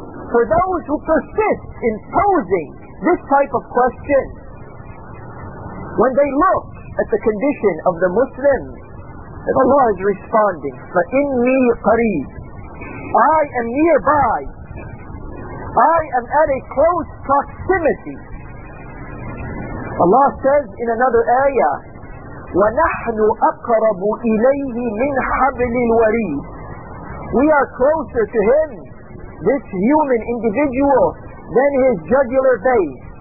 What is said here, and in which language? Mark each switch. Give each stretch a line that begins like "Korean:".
English: For those who persist in posing this type of question, when they look at the condition of the Muslims, then Allah is responding,
Arabic: فَإِنِّي قَرِيبٌ.
English: I am nearby. I am at a close proximity. Allah says in another ayah,
Arabic: وَنَحْنُ أَقْرَبُ إِلَيْهِ مِنْ حَبْلِ الْوَرِيدِ.
English: We are closer to Him, this human individual, than His jugular vein.